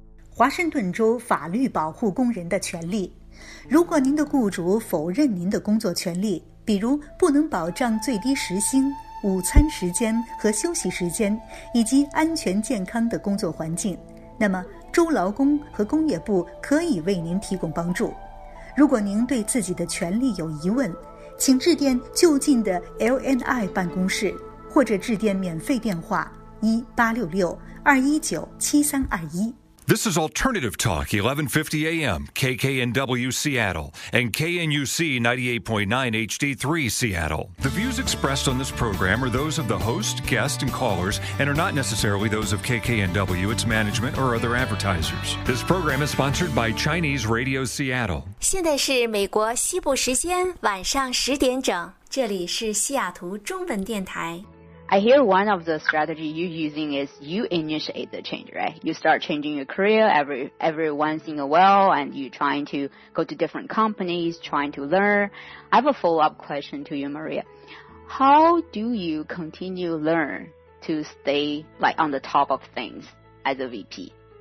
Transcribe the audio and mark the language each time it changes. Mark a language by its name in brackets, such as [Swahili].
[Chinese] 华盛顿州法律保护工人的权利。如果您的雇主否认您的工作权利，比如不能保障最低时薪、午餐时间和休息时间，以及安全健康的工作环境，那么州劳工和工业部可以为您提供帮助。如果您对自己的权利有疑问，请致电就近的 LNI 办公室，或者致电免费电话1-866-219-7321。 [English] This is Alternative Talk, 1150 AM, KKNW Seattle, and KNUC 98.9 HD3 Seattle. The views expressed on this program are those of the host, guest, and callers, and are not necessarily those of KKNW, its management, or other advertisers. This program is sponsored by Chinese Radio Seattle. [Chinese] 现在是美国西部时间晚上10点整，这里是西雅图中文电台。 [English] I hear one of the strategies you're using is you initiate the change, right? You start changing your career every once in a while, and you're trying to go to different companies, trying to learn. I have a follow-up question to you, Maria. How do you continue to learn to stay like on the top of things as a VP?